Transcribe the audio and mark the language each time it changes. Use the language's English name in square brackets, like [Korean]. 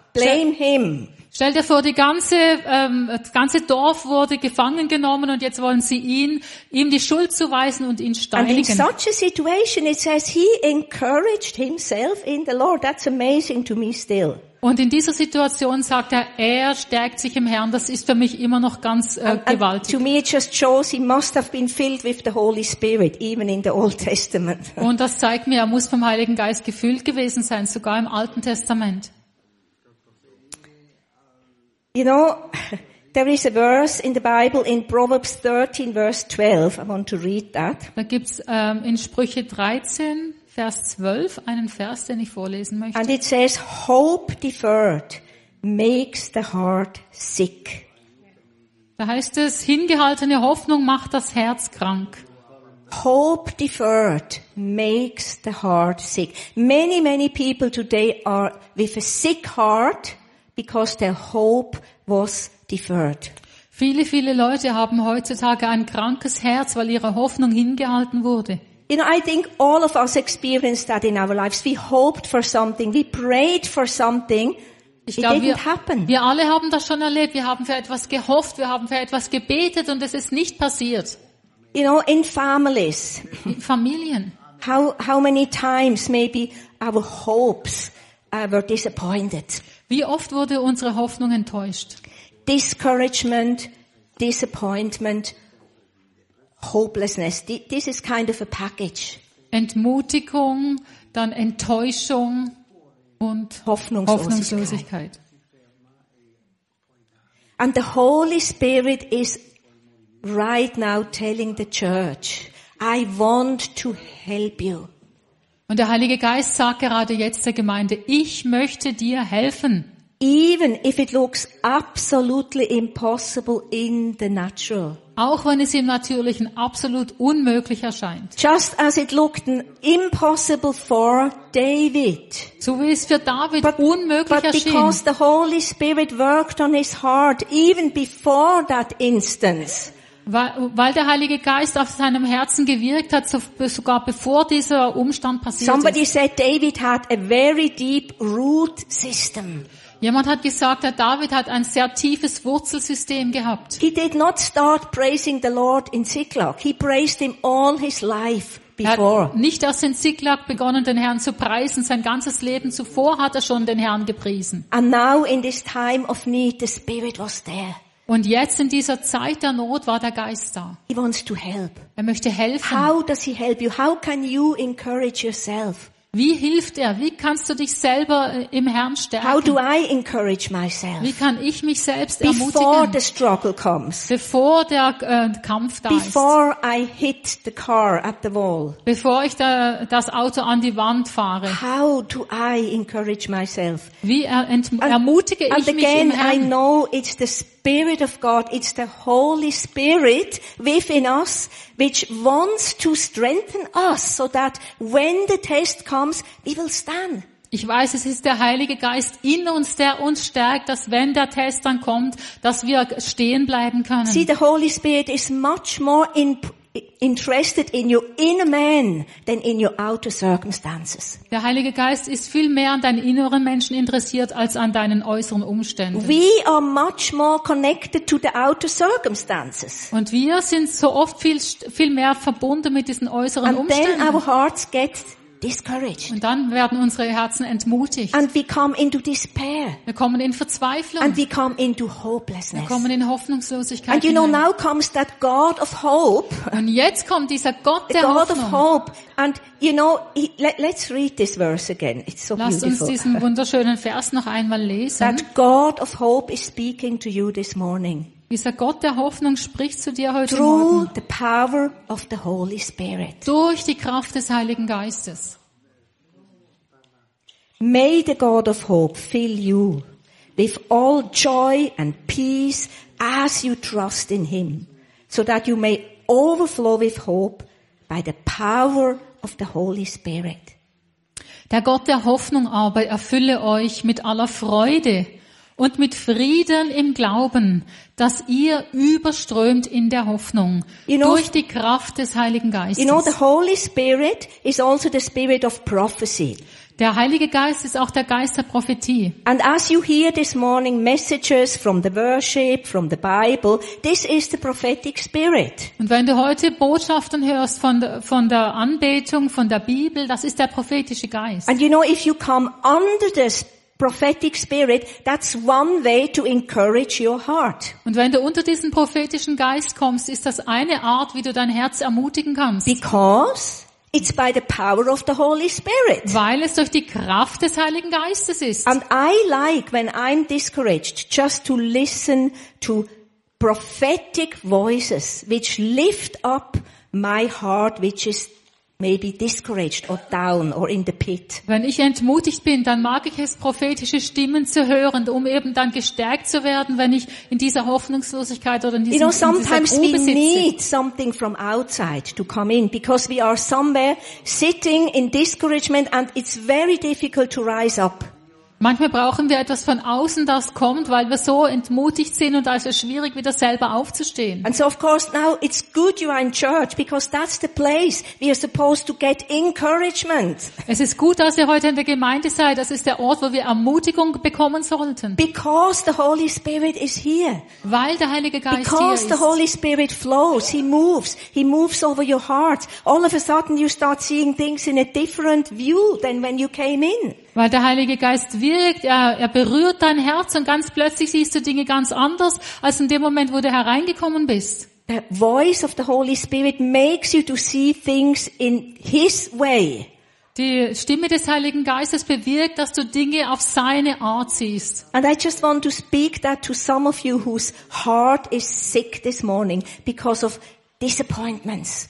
[English] Blame him. [German] Stell dir vor, das ganze Dorf wurde gefangen genommen und jetzt wollen sie ihm die Schuld zuweisen und ihn steinigen. [English] And in such a situation it says he encouraged himself in the Lord. That's amazing to me still. [German] Und in dieser Situation sagt er stärkt sich im Herrn. Das ist für mich immer noch ganz gewaltig. [English] To me it just shows he must have been filled with the Holy Spirit, even in the Old Testament. [German] Und das zeigt mir, er muss vom Heiligen Geist gefüllt gewesen sein, sogar im Alten Testament. [English] You know, there is a verse in the Bible in Proverbs 13, verse 12. I want to read that. [German] Da gibt's in Sprüche 13. Vers 12, einen Vers, den ich vorlesen möchte. [English] And it says, hope deferred makes the heart sick. [German] Da heißt es, hingehaltene Hoffnung macht das Herz krank. [English] Hope deferred makes the heart sick. Many, many people today are with a sick heart because their hope was deferred. [German] Viele, viele Leute haben heutzutage ein krankes Herz, weil ihre Hoffnung hingehalten wurde. [English] You know, I think all of us experienced that in our lives. We hoped for something, we prayed for something. It didn't happen. [German] Wir alle haben das schon erlebt. Wir haben für etwas gehofft, wir haben für etwas gebetet und es ist nicht passiert. [English] You know, in families. [German] In Familien. [English] How many times maybe our hopes were disappointed. [German] Wie oft wurde unsere Hoffnung enttäuscht? [English] Discouragement, disappointment. Hopelessness. This is kind of a package. [German] Entmutigung, dann Enttäuschung und Hoffnungslosigkeit. [English] And the Holy Spirit is right now telling the church, I want to help you. [German] Und der Heilige Geist sagt gerade jetzt der Gemeinde, ich möchte dir helfen. [English] Even if it looks absolutely impossible in the natural. [German] Auch wenn es im Natürlichen absolut unmöglich erscheint. [English] Just as it looked impossible for David. [German] So wie es für David unmöglich erschien. [English] But because the Holy Spirit worked on his heart even before that instance. [German] Weil der Heilige Geist auf seinem Herzen gewirkt hat, sogar bevor dieser Umstand passiert [English] Somebody Somebody said David had a very deep root system. [German] Jemand hat gesagt, der David hat ein sehr tiefes Wurzelsystem gehabt. [English] He did not start praising the Lord in Ziklag. He praised him all his life before. [German] Er hat nicht erst in Ziklag begonnen, den Herrn zu preisen. Sein ganzes Leben zuvor hat er schon den Herrn gepriesen. [English] And now in this time of need, the Spirit was there. [German] Und jetzt in dieser Zeit der Not war der Geist da. [English] He wants to help. [German] Er möchte helfen. [English] How does he help you? How can you encourage yourself? [German] Wie hilft er? Wie kannst du dich selber im Herrn stärken? [English] How do I encourage myself? [German] Wie kann ich mich selbst ermutigen? [English] Before the struggle comes. [German] Bevor der Kampf da [English] Before [German] ist. [English] Before I hit the car at the wall. [German] Bevor ich das Auto an die Wand fahre. [English] How do I encourage myself? [German] Wie ermutige ich mich im Herrn? [English] And again, I know it's the Spirit of God, it's the Holy Spirit within us, which wants to strengthen us, so that when the test comes, we will stand. [German] Ich weiß, es ist der Heilige Geist in uns, der uns stärkt, dass wenn der Test dann kommt, dass wir stehen bleiben können. [English] See, the Holy Spirit is much more interested in your inner man than in your outer circumstances. [German] Der Heilige Geist ist viel mehr an deinen inneren Menschen interessiert als an deinen äußeren Umständen. [English] We are much more connected to the outer circumstances. [German] Und wir sind so oft viel mehr verbunden mit diesen äußeren [English] And [German] Umständen. [English] Then our hearts get discouraged. [German] Und dann werden unsere Herzen entmutigt. [English] And we come into despair. [German] Wir kommen in Verzweiflung. [English] And we come into hopelessness. [German] Wir kommen in Hoffnungslosigkeit. [English] And you know, now comes that God of hope. [German] Und jetzt kommt dieser Gott der [English] God [German] Hoffnung. [English] Of hope. And you know, let's read this verse again. It's so [German] Lass [English] beautiful. [German] Lasst uns diesen wunderschönen Vers noch einmal lesen. [English] That God of hope is speaking to you this morning. [German] Dieser Gott der Hoffnung spricht zu dir heute [English] Through [German] Morgen. [English] The power of the Holy Spirit. [German] Durch die Kraft des Heiligen Geistes. [English] May the God of hope fill you with all joy and peace as you trust in him, so that you may overflow with hope by the power of the Holy Spirit. [German] Der Gott der Hoffnung aber erfülle euch mit aller Freude und mit Frieden im Glauben, dass ihr überströmt in der Hoffnung, [English] you know, [German] durch die Kraft des Heiligen Geistes. [English] You know, the Holy Spirit is also the spirit of prophecy. [German] Der Heilige Geist ist auch der Geist der Prophetie. [English] And as you hear this morning messages from the worship, from the Bible, this is the prophetic spirit. [German] Und wenn du heute Botschaften hörst von der Anbetung, von der Bibel, das ist der prophetische Geist. [English] And you know, if you come under the prophetic spirit, that's one way to encourage your heart. [German] Und wenn du unter diesen prophetischen Geist kommst, ist das eine Art, wie du dein Herz ermutigen kannst. [English] Because it's by the power of the Holy Spirit. [German] Weil es durch die Kraft des Heiligen Geistes ist. [English] And I like, when I'm discouraged, just to listen to prophetic voices, which lift up my heart, which is maybe discouraged or down or in the pit. [German] Wenn ich entmutigt bin, dann mag ich es, prophetische Stimmen zu hören, um eben dann gestärkt zu werden, wenn ich in dieser Hoffnungslosigkeit oder in dieser Grube sitze. [English] You know, sometimes we need something from outside to come in, because we are somewhere sitting in discouragement and it's very difficult to rise up. [German] Manchmal brauchen wir etwas von außen, das kommt, weil wir so entmutigt sind und da ist es schwierig, wieder selber aufzustehen. [English] And so of course now it's good you are in church, because that's the place we are supposed to get encouragement. [German] Es ist gut, dass ihr heute in der Gemeinde seid. Das ist der Ort, wo wir Ermutigung bekommen sollten. [English] Because the Holy Spirit is here. [German] Weil der Heilige Geist [English] because [German] hier ist. [English] Because the Holy Spirit flows, he moves. He moves over your heart. All of a sudden you start seeing things in a different view than when you came in. [German] Weil der Heilige Geist wirkt, er berührt dein Herz und ganz plötzlich siehst du Dinge ganz anders als in dem Moment, wo du hereingekommen bist. [English] The voice of the Holy Spirit makes you to see things in his way. [German] Die Stimme des Heiligen Geistes bewirkt, dass du Dinge auf seine Art siehst. [English] And I just want to speak that to some of you whose heart is sick this morning because of disappointments.